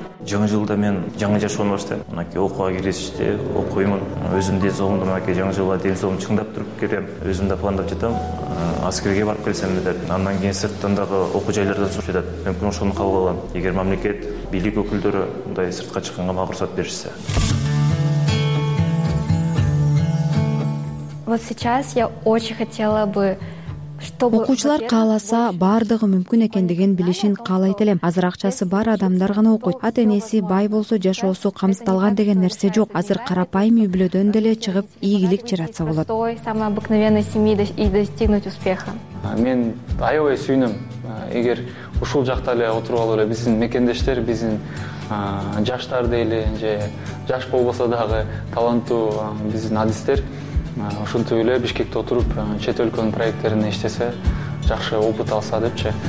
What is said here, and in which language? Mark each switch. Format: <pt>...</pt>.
<ky>Жаңы жылда мен жаңы жашоону баштайм. Мынакей окууга киришти, окуймун. Өзүм ден соолугумду мынакей жаңы жылда ден соолугум чыңдап туруп келем. Өзүм да пландап жатам, аскерге барып келсем деп. Андан кийин сырттан дагы окуу жайлардан сурап жатат. Мен күн ошону кабыл алам. Эгер мамлекет, бийлик өкүлдөрү мындай сыртка чыкканга мага уруксат беришсе.</ky> <ru>Вот сейчас я очень хотела бы, чтобы</ru> <ky>окуучулар кааласа баардыгы мүмкүн экендигин билишин каалайт элем. Азыр акчасы бар адамдар гана окуйт. Ата-энеси бай болсо жашоосу камсыздалган деген нерсе жок. Азыр карапайым үй бүлөдөн деле чыгып ийгилик жаратса болот.</ky> <ru>Самый обыкновенный семьи и достигнуть успеха.</ru> <ky>Мен аябай сүйүнөм. Эгер ушул жакта эле отуруп алып эле биздин мекендештер, биздин жаштар дейли же жаш болбосо дагы таланттуу биздин адистер ошентип эле Бишкекте отуруп чет өлкөнүн проекттерине иштесе жакшы опыт алса депчи.</ky>